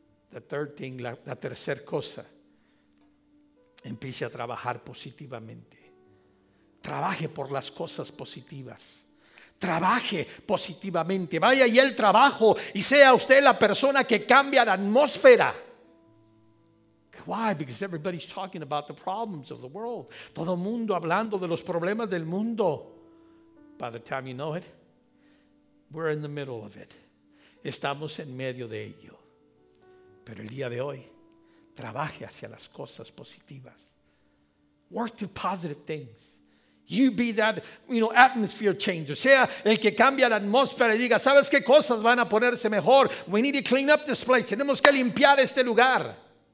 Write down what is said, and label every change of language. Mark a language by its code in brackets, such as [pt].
[en] The third thing, [es] la tercera cosa. Empiece a trabajar positivamente. Trabaje por las cosas positivas. Trabaje positivamente. Vaya y el trabajo y sea usted la persona que cambia la atmósfera. [en] Why? Because everybody's talking about the problems of the world. [es] Todo mundo hablando de los problemas del mundo. [en] By the time you know it, we're in the middle of it. [es] Estamos en medio de ello. Pero el día de hoy, trabaje hacia las cosas positivas. [en] Work to positive things. You be that, atmosphere changer. [es] Sea el que cambia la atmósfera y diga, ¿sabes qué cosas van a ponerse mejor? [en] We need to clean up this place. [es] Tenemos que limpiar este lugar.